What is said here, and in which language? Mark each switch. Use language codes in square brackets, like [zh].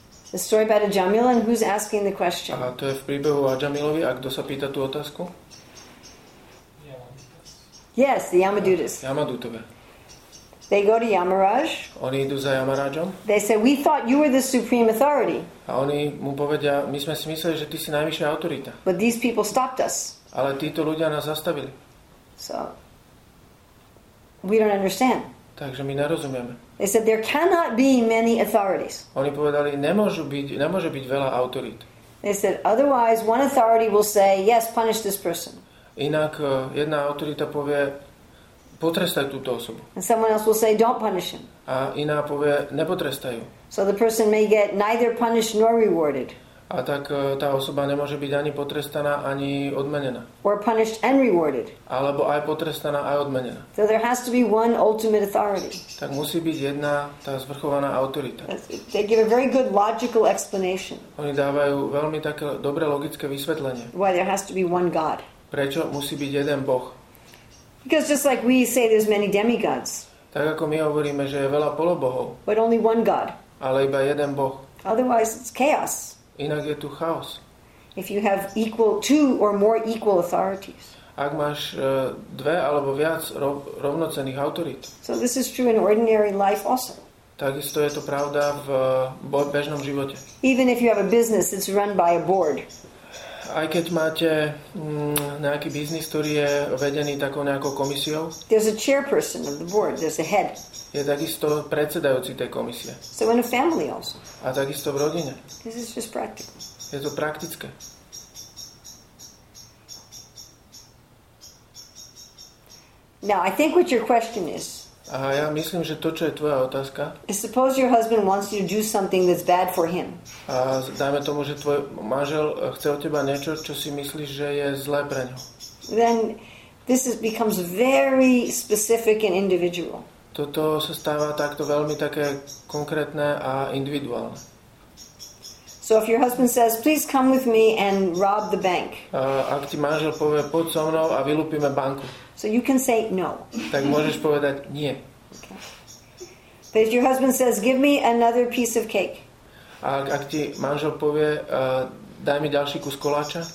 [en] The story about Ajamila, and who's asking the question? [sk] A to je v príbehu Ajamilovi, a kto sa pýta tú otázku? [en] Yes, the Yamadutas. [sk] Yamadutove. [en] They go to Yamaraj. [sk] Oni idú za Yamarajom. [en] They say, we thought you were the supreme authority. [sk] A oni mu povedia, my sme si mysleli, že ty si najvyššia autorita. [en] But these people stopped us. [sk] Ale títo ľudia nás zastavili. [en] So, we don't understand. [sk] Takže my nerozumieme. [en] They said there cannot be many authorities. [sk] Oni povedali, nemôže byť veľa autorít. [en] They said otherwise one authority will say, yes, punish this person. [sk] Inak jedna autorita povie, potrestaj túto osobu. [en] And someone else will say, don't punish him. [sk] A iná povie, nepotrestaj ju. [en] So the person may get neither punished nor rewarded. [sk] A tak tá osoba nemôže byť ani potrestaná, ani odmenená. [en] Or punished and rewarded. [sk] Alebo aj potrestaná, aj odmenená. [en] So there has to be one ultimate authority. [sk] Tak musí byť jedna tá zvrchovaná autorita. [en] They give a very good logical explanation. [sk] Oni dávajú veľmi také dobré logické vysvetlenie. [en] Why there has to be one God. [sk] Prečo musí byť jeden Boh? [en] Because just like we say there's many demigods. [sk] Tak ako my hovoríme, že je veľa polobohov. [en] But only one God. [sk] Ale iba jeden Boh. [en] Otherwise, it's chaos. [sk] Inak je tu chaos. [en] If you have equal two or more equal authorities. [sk] Ak máš dve alebo viac rovnocenných autorít. [en] So this is true in ordinary life also. [sk] Takisto je to pravda v bežnom živote. [en] Even if you have a business that's run by a board. [sk] Aj keď máte nejaký biznis, ktorý je vedený takou nejakou komisiou. [en] There's a chairperson of the board, there's a head. [sk] Je takisto predsedajúci tej komisie. [en] So in a family also. [sk] A takisto v rodine. [en] This is just practical. [sk] Je to praktické. [en] Now, I think what your question is. [sk] Aha, ja myslím, že to, čo je tvoja otázka. [en] Suppose your husband wants you to do something that's bad for him. [sk] A dajme tomu, že tvoj manžel chce od teba niečo, čo si myslíš, že je zlé pre ňo. [en] Then this is becomes very specific and individual. [sk] Toto sa stáva takto veľmi také konkrétne a individuálne. [en] So if your husband says, please come with me and rob the bank. [sk] Ak ti manžel povie, poď so mnou a vylúpime banku. [en] So you can say no. [sk] Tak môžeš povedať nie. Okay. [en] But if your husband says, give me another piece of cake. [sk] Ak ti manžel povie, daj mi ďalší kus koláča.